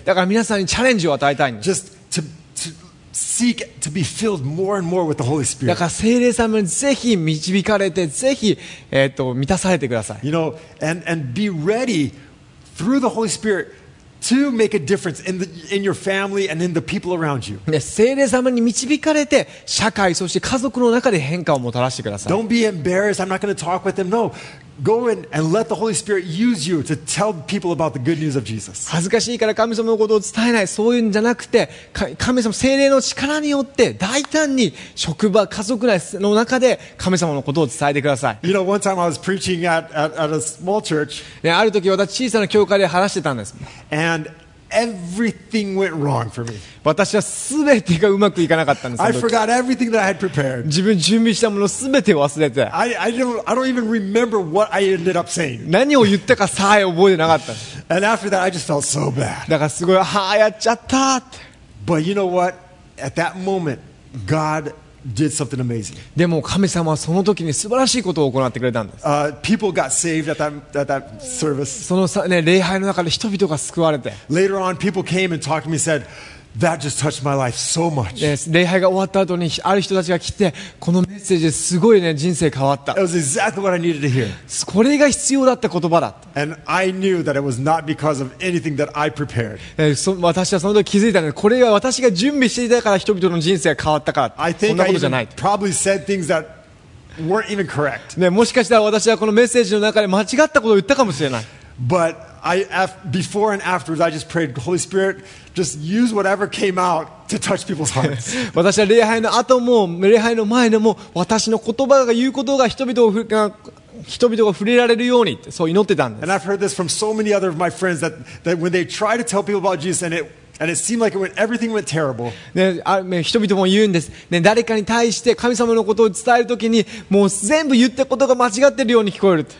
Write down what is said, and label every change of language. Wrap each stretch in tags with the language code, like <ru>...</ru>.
<ja>だから皆さんにチャレンジを与えたいんです。</ja> <en>Just toSeek to be filled more and more with the Holy Spirit.</en> <ja>だから聖霊様にぜひ導かれて、ぜひ満たされてください。</ja> <en>You know, and be ready through the Holy Spirit to make a difference in your family and in the people around you.</en> <ja>ね、聖霊様に導かれて社会そして家族の中で変化をもたらしてください。</ja> <en>Don't be embarrassed. I'm not going to talk with them. No. Go in and let the Holy Spirit use you to tell people about the good news of Jesus.</en> <ja>恥ずかしいから神様のことを伝えない。そういうんじゃなくて、神様聖霊の力によって大胆に職場、家族内の中で神様のことを伝えてください。</ja> <en>You know, one time I was preaching at a small church.</en> <ja>ある時私小さな教会で話してたんです。</ja> <en>And everything went wrong for me.</en> <ja>私は全てがうまくいかなかったんです。</ja> <en>I forgot everything that I had prepared.</en> <ja>自分準備したもの全て忘れて。</ja> <en>I don't even remember what I ended up saying.</en> <ja>何を言ったかさえ覚えてなかった。</ja> <en>And after that, I just felt so bad.</en> <ja>だからすごい、はあ、やっちゃったって。</ja> <en>But you know what? At that moment, God did something amazing.</en> <ja>でも神様はその時に素晴らしいことを行ってくれたんです。</ja> <en>People got saved at that service.</en> <ja>そのさ、ね、礼拝の中で人々が救われて。</ja> <en>Later on, people came and talked to me and said, that just touched my life so much.</en> <ja>礼拝が終わった後にある人たちが来て、このメッセージですごいね、人生変わった。</ja> <en>It was exactly what I needed to hear.</en> <ja>これが必要だった言葉だった。</ja> <en>And I knew that it was not because of anything that I prepared.</en> <ja>私はその時気づいたんです。これが私が準備していたから人々の人生が変わったから。</ja> <en>I think</en> <ja>そんなことじゃない。</ja> <en>I probably said things that weren't even correct.</en> <ja>もしかしたら私はこのメッセージの中で間違ったことを言ったかもしれない。</ja> <en>But I, before and afterwards, I just prayed, Holy Spirit, just use whatever came out to touch people's hearts.</en> <ja>私は礼拝の後も礼拝の前でも私の言葉が言うことが人々が触れられるようにそう祈ってたんです。</ja> <en>And I've heard this from so many other of my friends that when they try to tell people about Jesus and it seemed like everything went terrible.</en> <ja>ね、人々も言うんです。ね、誰かに対して神様のことを伝えるときに、もう全部言ったことが間違ってるように聞こえる。</ja>